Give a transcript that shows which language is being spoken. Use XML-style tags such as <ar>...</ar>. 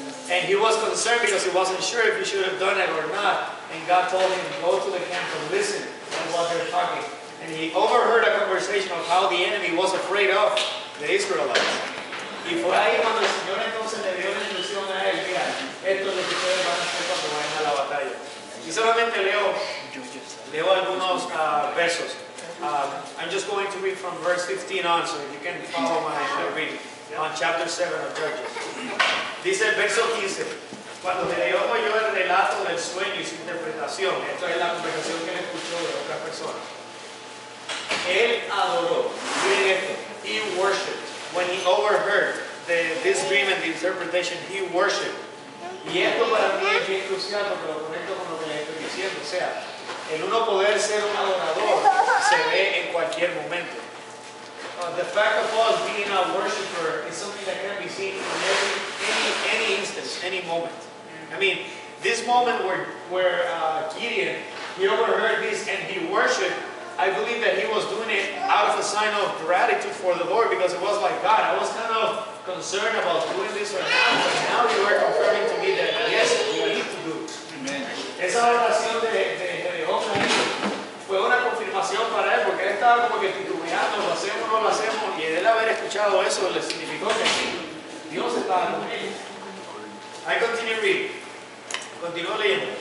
<en>And he was concerned because he wasn't sure if he should have done it or not. And God told him, go to the camp and listen to what they're talking. And he overheard a conversation of how the enemy was afraid of the Israelites.</en> <es>Y fue ahí cuando el Señor entonces le dio la instrucción a él, mira, esto es lo que ustedes van a hacer cuando vayan a la batalla. Y solamente leo algunos versos.</es> <en>I'm just going to read from verse 15 on, so you can follow my reading. On chapter 7 of Judges.</en> <es>Dice el verso 15. Cuando Gedeón oyó el relato del sueño y su interpretación, esto es la conversación que él escuchó de otra persona. Él adoró, miren esto,</es> <en>he worshipped. When he overheard this dream and the interpretation, he worshipped.</en> <es>Y esto para mí es bien crucial porque lo conecto con lo que les estoy diciendo. O sea, el uno poder ser un adorador se ve en cualquier momento.</es> <en>The fact of us being a worshiper is something that can be seen in any instance, any moment. I mean, this moment where Gideon, he overheard this and he worshipped, I believe that he was doing it out of a sign of gratitude for the Lord, because it was like, God, I was kind of concerned about doing this or not, but now you are confirming to me that yes, you need to do it. Amen.</en> <es>Esa oración de Gideon fue una confirmación para él, porque él estaba como que titubeando, lo hacemos o no lo hacemos, y él haber escuchado eso le significó que sí, Dios estaba con él.</es> <en>I continue reading.</en> <es>Continuó leyendo.</es>